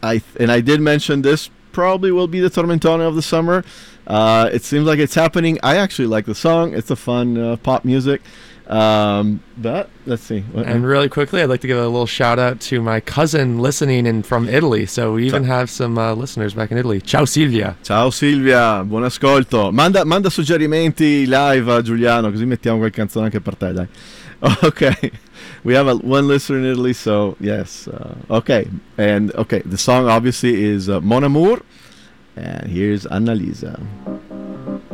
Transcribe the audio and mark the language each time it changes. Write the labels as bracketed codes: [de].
[en] I did mention this. Probably will be the tormentone of the summer. It seems like it's happening. I actually like the song. It's a fun pop music. But let's see. And really quickly, I'd like to give a little shout out to my cousin listening in from Italy. So we even have some listeners back in Italy. Ciao Silvia. [it] Buon ascolto. Manda suggerimenti live a Giuliano, così mettiamo qualche canzone anche per te, dai. [en] Okay. We have one listener in Italy, so yes. Okay, the song obviously is Mon Amour, and here's Annalisa.